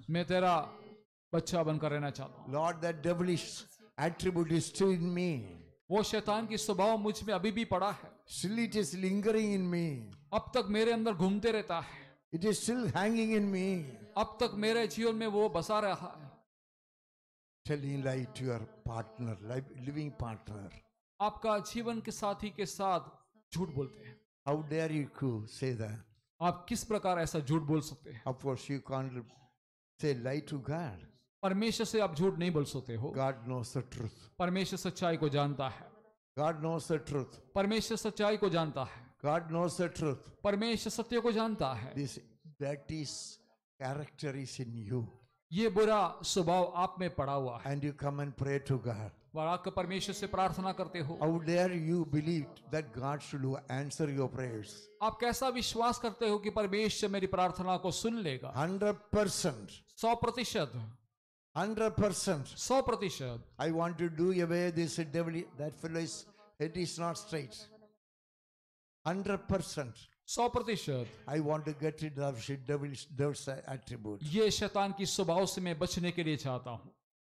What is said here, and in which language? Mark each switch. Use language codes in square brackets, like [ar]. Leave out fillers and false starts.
[hi] मैं तेरा बच्चा बनकर रहना चाहता हूँ. [en] Lord, that devilish attribute is still in me. [hi] वो शैतान की स्वभाव मुझ में अभी भी पड़ा है. [en] Still it is lingering in me. [hi] अब तक मेरे अंदर घूमते रहता है. [en] It is still hanging in me. [hi] अब तक मेरे जीवन में वो बसा रहा है. [en] Telling lie to your partner, living partner. [hi] आपका जीवन के साथी के साथ झूठ बोलते हैं. [en] How dare you say that? [hi] आप किस प्रकार ऐसा झूठ बोल सकते हैं? [en] Of course you can't say lie to God. [hi] परमेश्वर से आप झूठ नहीं बोल सकते हो. [en] God knows the truth. [hi] परमेश्वर सच्चाई को जानता है. [en] God knows the truth. [hi] परमेश्वर सच्चाई को जानता है. [en] God knows the truth. [hi] परमेश्वर सत्य को जानता है. [en] This dirty character is in you. [hi] ये बुरा स्वभाव आप में पड़ा हुआ है. [en] And you come and pray to God. [hi] और आप परमेश्वर से प्रार्थना करते हो. [en] How dare you believe that God should answer your prayers? [hi] आप कैसा विश्वास करते हो कि परमेश्वर मेरी प्रार्थना को सुन लेगा? 100% 100% 100% 100% [en] I want to do away this devil. That fellow is, it is not straight. 100% 100% I want to get rid of the devil's attribute. [hi] ये शैतान की स्वभाव से मैं बचने के लिए चाहता हूँ.